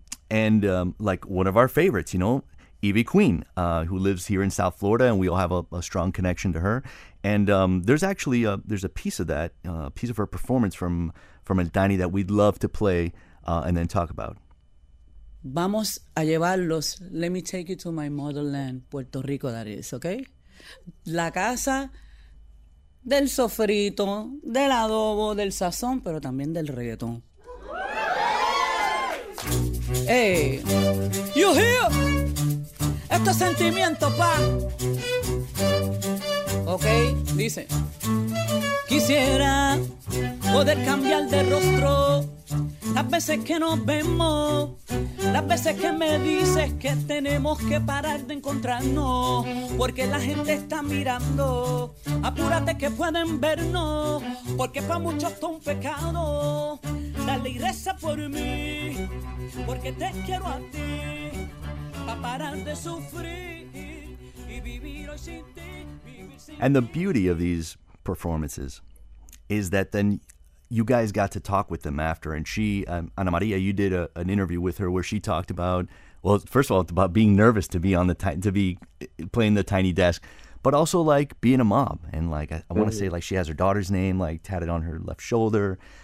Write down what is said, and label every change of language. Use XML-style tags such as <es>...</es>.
<en>Like one of our favorites, you know, Evie Queen, who lives here in South Florida, and we all have a strong connection to her. And there's a piece of that, a piece of her performance from El Tiny that we'd love to play and then talk about.</en> <es>Vamos a llevarlos.</es> <en>Let me take you to my motherland, Puerto Rico, that is, okay?</en> <es>La casa del sofrito, del adobo, del sazón, pero también del reggaetón.</es> <en>Hey, you hear?</en> <es>Esto es sentimiento, pa. Okay, dice. Quisiera poder cambiar de rostro las veces que nos vemos, las veces que me dices que tenemos que parar de encontrarnos, porque la gente está mirando, apúrate que pueden vernos, porque para muchos es un pecado, dale y reza por mí, porque te quiero a ti, para parar de sufrir y vivir hoy sin ti, vivir sin ti.</es> <en>And the beauty of these performances is that then you guys got to talk with them after, and she, Anamaria, you did an interview with her where she talked about, well, first of all, it's about being nervous to be on the to be playing the Tiny Desk, but also like being a mom, and like I want to say like she has her daughter's name like tatted on her left shoulder.</en>